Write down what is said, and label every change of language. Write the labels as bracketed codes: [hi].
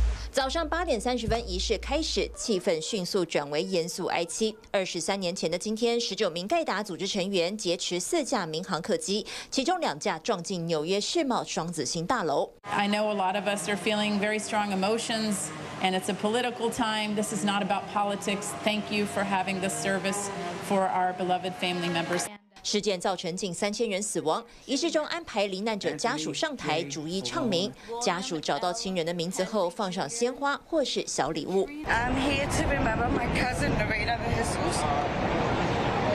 [zh] 早上8:30，仪式开始，气氛迅速转为严肃哀戚。23年前的今天，19名盖达组织成员劫持4架民航客机，其中2架撞进纽约世贸双子星大楼。 [en] I know a lot of us are feeling very strong emotions, and it's a political time. This is not about politics. Thank you for having this service for our beloved family members. [zh] 事件造成近3000人死亡。仪式中安排罹难者家属上台逐一唱名，家属找到亲人的名字后放上鲜花或是小礼物。 [en] I'm here to remember my cousin Navina Jesus.